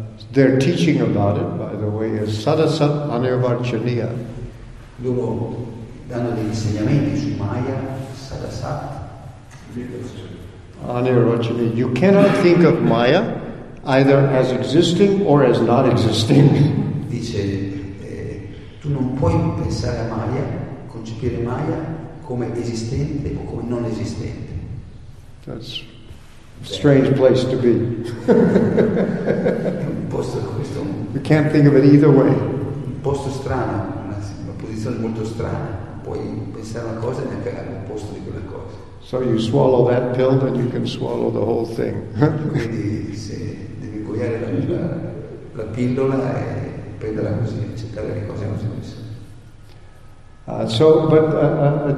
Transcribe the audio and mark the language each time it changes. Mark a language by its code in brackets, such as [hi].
[en] Their teaching about it, by the way, is sadasat anirvachaniya. [it] Loro danno degli insegnamenti su Maya, sadasat anirvachaniya. [en] You cannot think of Maya either as existing or as not existing. [it] Dice, tu non puoi pensare a Maya, concepire Maya come esistente o come non esistente. [en] That's a strange place to be. [it] Un posto questo. [en] You can't think of it either way. [it] Un posto strano, una posizione molto strana. Puoi pensare una cosa e neanche all'opposto di quella cosa. [en] So you swallow that pill, then you can swallow the whole thing. [it] Quindi se devi ingoiare la pillola e prenderla così, accettare le cose così.